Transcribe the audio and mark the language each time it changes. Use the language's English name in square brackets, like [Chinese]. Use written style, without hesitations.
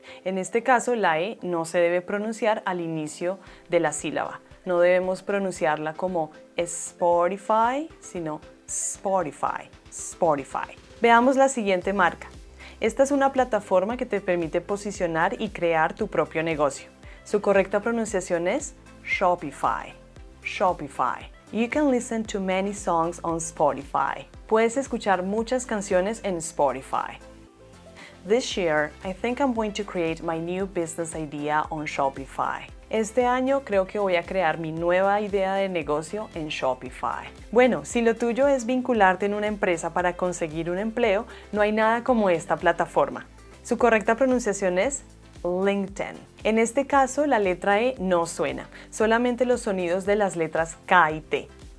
[Spanish] En este caso, la E no se debe pronunciar al inicio de la sílaba. No debemos pronunciarla como Spotify, sino Spotify, Spotify. Veamos la siguiente marca. Esta es una plataforma que te permite posicionar y crear tu propio negocio. Su correcta pronunciación es Shopify, Shopify. [English] You can listen to many songs on Spotify. [Spanish] Puedes escuchar muchas canciones en Spotify. [English] This year, I think I'm going to create my new business idea on Shopify. [Spanish] Este año creo que voy a crear mi nueva idea de negocio en Shopify. Bueno, si lo tuyo es vincularte en una empresa para conseguir un empleo, no hay nada como esta plataforma. Su correcta pronunciación es LinkedIn. En este caso, la letra E no suena, solamente los sonidos de las letras K y T.